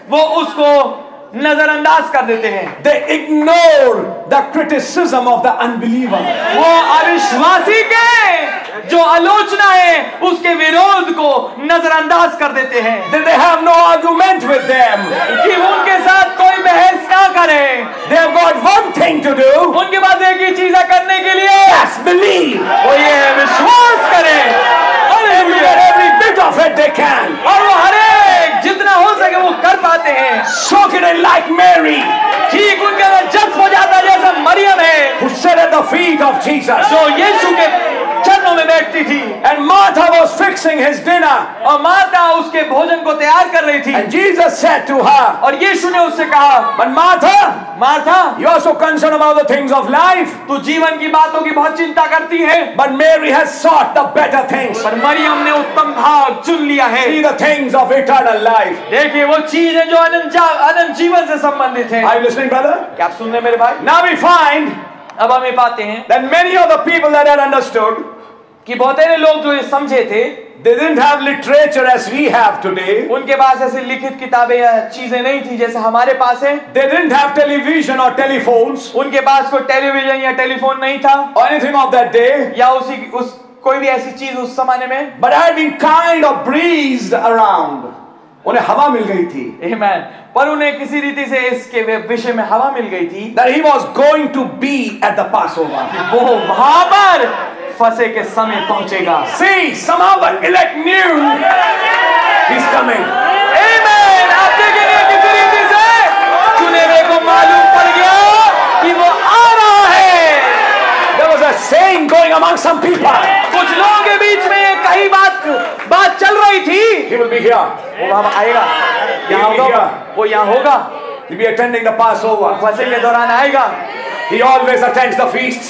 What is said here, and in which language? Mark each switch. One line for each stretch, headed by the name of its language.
Hindi: वो उसको नजरअंदाज कर देते हैं.
English: They ignore the criticism of the unbeliever.
Hindi: वो अविश्वासी के जो आलोचना है उसके विरोध को नजरअंदाज कर देते हैं
English: Then they have no argument with them.
Hindi: कि उनके साथ कोई बहस ना करें
English: They have got one thing to do.
Hindi: उनके पास एक ही चीज है करने के लिए
English: Yes, believe.
Hindi: वो ये विश्वास करें
English: every bit of it they can.
Hindi: और वो हर एक जितना हो सके वो कर पाते हैं
English: Soak it in like Mary.
Hindi: ठीक उनके अंदर जब्त हो जाता है जैसे मरियम है
English: Who sat at the feet of Jesus.
Hindi: जो यीशु के चरणों में बैठती थी
English: and Martha was fixing his dinner
Hindi: और मार्था उसके भोजन को तैयार कर रही थी
English: and Jesus said to her
Hindi: और यीशु ने उससे कहा
English: but Martha Martha you are so concerned about the things of life
Hindi: तू जीवन की बातों की बहुत चिंता करती है
English: but Mary has sought the better things
Hindi: पर मरियम ने उत्तम भाग चुन लिया है
English: see the things of eternal life
Hindi: देखिए वो चीजें जो अनंत जीवन से संबंधित हैं
English: are you listening brother
Hindi: क्या आप सुन रहे हैं मेरे भाई
English: now we find
Hindi: अब हम ये पाते हैं
English: that many of the people that had understood
Hindi: कि बहुत सारे लोग जो ये समझे थे
English: they didn't have literature as we have today
Hindi: उनके पास ऐसे लिखित किताबें या चीजें नहीं थी जैसे हमारे पास है
English: they didn't have television or telephones
Hindi: उनके पास कोई टेलीविजन या टेलीफोन नहीं था
English: or anything of that day
Hindi: या उसी उस कोई भी ऐसी चीज उस जमाने में
English: but had been kind of breezed around
Hindi: उन्हें हवा मिल गई थी amen पर उन्हें किसी रीति से इसके विषय में हवा मिल गई थी
English: that he was going to be at the passover
Hindi: वो वहां पर फसे के समय पहुंचेगा
English: See, some of the elect knew he's coming. Amen.
Hindi: आप देखेंगे किस रीति से चुने हुए को मालूम पड़ गया कि वो आ रहा है
English: There was a saying going among some people.
Hindi: कुछ लोगों के बीच में ये कही बात चल रही थी
English: He will be here.
Hindi: वो वहां आएगा यहां होगा वो यहां होगा
English: He'll be attending the Passover.
Hindi: फसे के दौरान आएगा
English: He always attends the feasts.